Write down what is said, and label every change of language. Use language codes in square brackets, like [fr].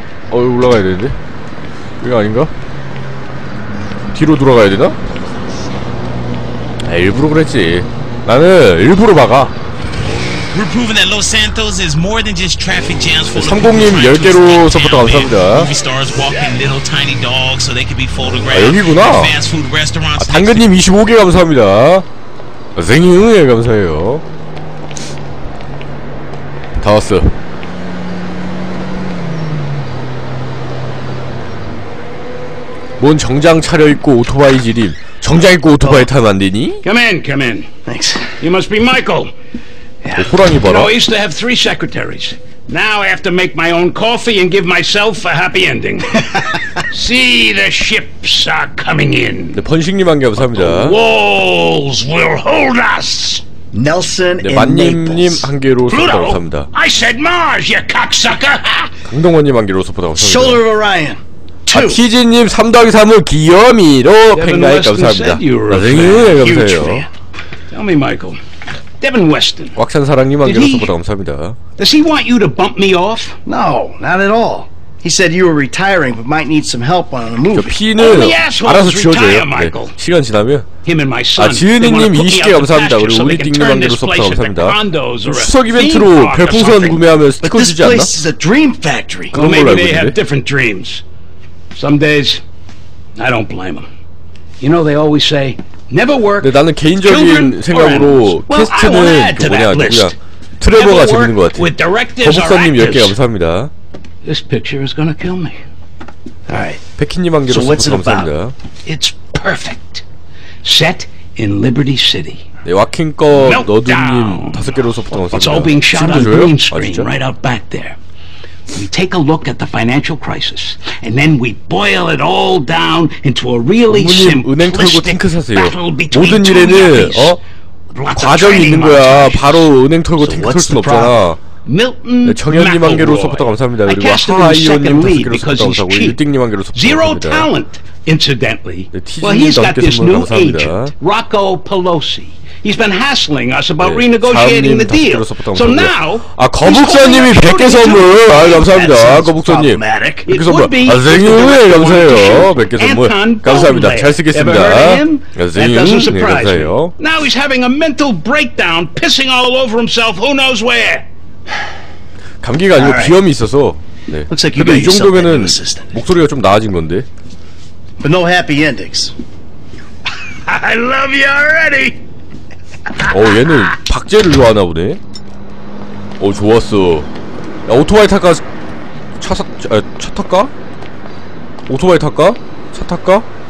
[ko] 어, 여기 올라가야 되는데? 여기 아닌가? 뒤로 돌아가야 되나? 아, 일부러 그랬지. 나는 일부러 막아. [en] We're proving that Los Santos is more than just traffic jams for the people trying to escape town. [ko] 성공님 10개로 서포터 감사합니다. [en] Movie stars walking little tiny dogs so they can be photographed. [ko] 아, 여기구나. [en] Fast food restaurants. [ko] 아, 당근님 25개 감사합니다. 생일 감사해요. 다 왔어. 뭔 정장 차려입고 오토바이 지림. 정장 입고 오토바이 타면 안 되니? [en] Come in, come in. Thanks. You must be Michael. [ko] 어, 호랑이 봐라. [en] You know, I used to have three secretaries. Now I have to make my own coffee and give myself a happy ending. See, the ships are coming in. [ko] 네, 번식님 한 개 감사합니다. [en] But the walls will hold us. [ko] Nelson and Naples. 네, 만님님 한 개로 서포터 감사합니다. [en] I said Mars, you cocksucker. [ko] 강동원님 한 개로 서포터 감사합니다. [en] Shoulder of Orion. [ko] 아, 티지님 3더하기 3은 귀여미로 팽나이 감사합니다. 나생님 감사해요. [en] Tell me, Michael. Devin Weston. [ko] 꽉찬 사랑님 한 개로 서포터 감사합니다. [en] Does he want you to bump me off? No, not at all. He said you were retiring but might need some help on a movie. [ko] 피는 알아서 지워줘요. 네. 시간 지나면. 아, 지은이님 20개 감사합니다. 그리고 우리 띵님 한 개로 서포터 감사합니다. 추석 이벤트로 별풍선 구매하면 스티커 주지 않나? 그런 걸로 알고 있는데. [en] Some days, I don't blame them. You know they always say, never work. [ko] 네, 나는 개인적인 생각으로 캐스트는 그 뭐냐, 누구야? 트레버가 재밌는 것 같아. 거북선님 10개 감사합니다. [en] This picture is gonna kill me. Alright. [ko] 백희님 한 개로 감사합니다. [en] It's perfect. Set in Liberty City. [ko] 네, 와킹거 너두님 다섯 개로서 부터 감사합니다. [en] It's all being shot on green screen right out back there. We take a look at the financial crisis, and then we boil it all down into a really simplistic battle between two enemies. [ko] 과정이 있는 거야. 바로 은행 털고 탱크 털 수는 없잖아. Milton, 네, 정현님 한 개로 서포터 감사합니다. 그리고 하하이오님 다섯 개로 서포터 감사하고 일등님 한 개로 서포터 감사합니다. 네, 티지님 넘게 선물 감사합니다. [en] Rocco Pelosi. He's been hassling us about renegotiating the deal. So now, [ko] 아, 거북선님이 100개 선물. 아, 감사합니다. 거북선님. 100개 선물. 아, 생일 감사해요. 100개 선물. 감사합니다. 잘 쓰겠습니다. 생일 감사해요. [en] Now he's having a mental breakdown, pissing all over himself, who knows where. [ko] 감기가 아니고 비염이 있어서. 네. 근데 이 정도면은 목소리가 좀 나아진 건데. [en] But no happy endings. I love you already. [ko] 어, 얘는 박제를 좋아하나 보네. 어, 좋았어. 야, 오토바이 탈까? 차 탈까? 오토바이 탈까? 차 탈까?